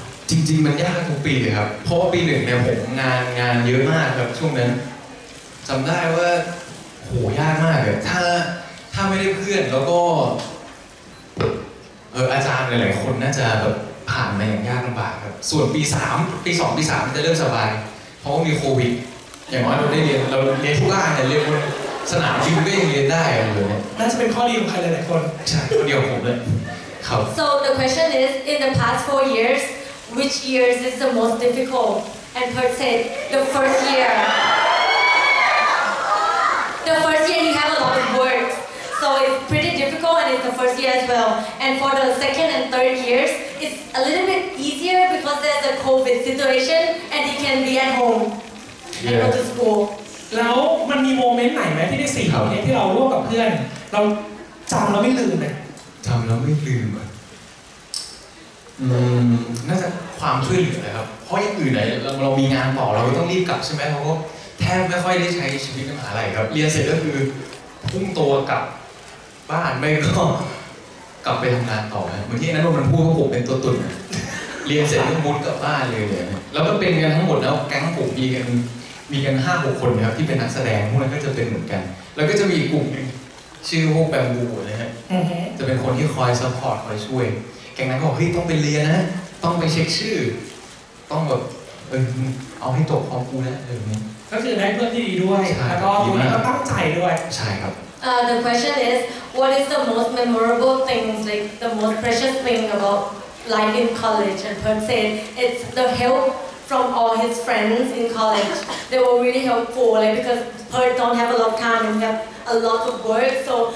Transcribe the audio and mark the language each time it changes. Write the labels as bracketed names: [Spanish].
[Thai] จริงๆมันยากทุกปีเลยครับเพราะว่าปีหนึ่งเนี่ยผมงานเยอะมากครับช่วงนั้นจำได้ว่าโหยากมากเลยถ้าไม่ได้เพื่อนแล้วก็อาจารย์หลายๆคนน่าจะแบบผ่านมาอย่างยากลำบากครับส่วนปี3ปี2ปี3จะเริ่มสบายเพราะว่ามีโควิดอย่างน้อยเราได้เรียนเราเรียนทุกอาเนี่ยเรียนบนสนามจริงก็ยังเรียนได้เลย น่าจะเป็นข้อดีของใครหลายๆคน ใช่คนเดียวผมเลยครับ [English] So the question is in the past 4 years which years is the most difficult and Perth said the first year you have a lot of workSo it's pretty difficult and it's the first year as well. And for the second and third years, it's a little bit easier because there's a COVID situation and you can be at home and go to school. [Thai] แล้วมันมีโมเมนต์ไหนไหมที่ใน4ปีนี้ที่เราร่วมกับเพื่อนเราจำแล้วไม่ลืมไหม จำแล้วไม่ลืมอ่ะ น่าจะความช่วยเหลือนะครับเพราะอย่างอื่นไหนเรามีงานต่อเราก็ต้องรีบกลับใช่ไหมเพราะว่าแทบไม่ค่อยได้ใช้ชีวิตมหาลัยครับเรียนเสร็จก็คือพุ่งตัวกลับบ้านไม่ก็ กลับไปทำงานต่อเหมือนที่นั้นมันพูดว่าผมเป็นตัวตุ่นเรียนเสร็จก็มุดกลับบ้านเลยแล้วก็เป็นกันทั้งหมดแล้วแก๊งผมมีกัน5 6คนนะครับที่เป็นนักแสดงพวกนั้นก็จะเป็นเหมือนกันแล้วก็จะมีอีกกลุ่มนึงชื่อพวกแบมบูนะฮะจะเป็นคนที่คอยซัพพอร์ตคอยช่วยแก๊งนั้นก็บอกเฮ้ยต้องไปเรียนนะต้องไปเช็คชื่อต้องแบบเอาให้ตกพร้อมกูนะอะไรอย่างเงี้ย ก็คือได้เพื่อนที่ดีด้วยแล้วก็ตัวนี้ก็ตั้งใจด้วย ใช่ครับ [English] the question is what is the most memorable things like the most precious thing about life in college and Pern said it's the help from all his friends in college they were really helpful like because Pern don't have a lot of time and have a lot of work so